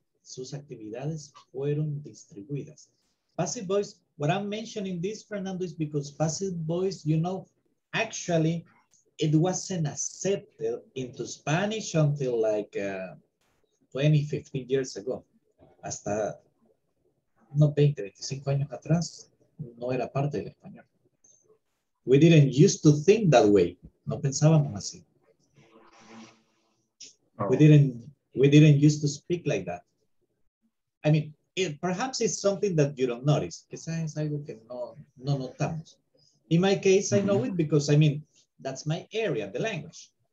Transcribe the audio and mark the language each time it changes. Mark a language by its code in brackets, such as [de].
[es] Sus actividades fueron distribuidas. [en] Passive voice, what I'm mentioning this, Fernando, is because passive voice, you know, actually it wasn't accepted into Spanish until like 20, 15 years ago. [es] Hasta no 20, 25 años atrás, no era parte del español. [en] We didn't used to think that way. [es] No pensábamos así. [en] We didn't used to speak like that. I mean, perhaps it's something that you don't notice. [es] Quizás es algo que no notamos. [en] In my case, I know it because, I mean, that's my area, the language.